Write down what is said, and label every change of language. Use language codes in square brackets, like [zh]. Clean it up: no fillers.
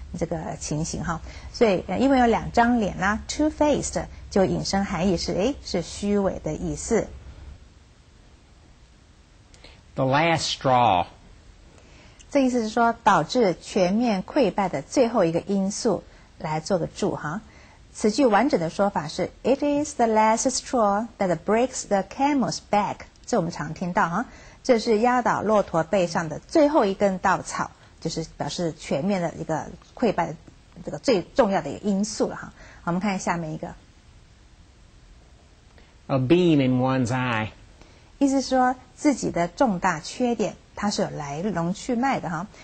[zh] 这个情形哈，所以因为有两张脸呢 ，two-faced 就引申含义是哎是虚伪的意思。 [en] The last straw， [zh] 这意思是说导致全面溃败的最后一个因素，来做个注哈。此句完整的说法是 [en] ：It is the last straw that breaks the camel's back。 [zh] 这我们常听到哈，这是压倒骆驼背上的最后一根稻草。就是表示全面的一个溃败这个最重要的一个因素了哈。我们看下面一个 [en] A beam in one's eye， [zh] 意思说自己的重大缺点，它是有来龙去脉的哈。